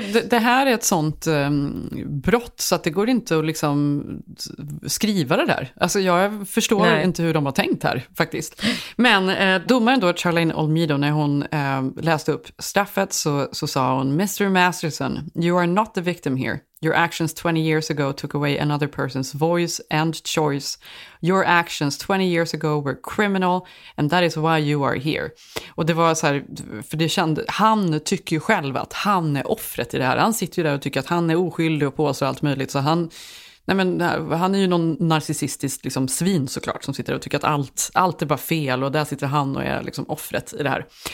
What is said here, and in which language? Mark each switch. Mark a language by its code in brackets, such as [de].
[sv] Det här är ett sånt brott så att det går inte att liksom skriva det där. Alltså jag förstår inte hur de har tänkt här faktiskt. Men domaren då, Charlene Olmedo, när hon läste upp straffet så sa hon: Mr. [en] Masterson, you are not the victim here. Your actions 20 years ago took away another person's voice and choice. Your actions 20 years ago were criminal and that is why you are here. [sv] Och det var så här, för det kände, han tycker ju själv att han är offret i det här. Han sitter ju där och tycker att han är oskyldig och påstår allt möjligt, så han, nej men han är ju någon narcissistisk liksom svin såklart som sitter och tycker att allt är bara fel och där sitter han och är liksom offret i det här.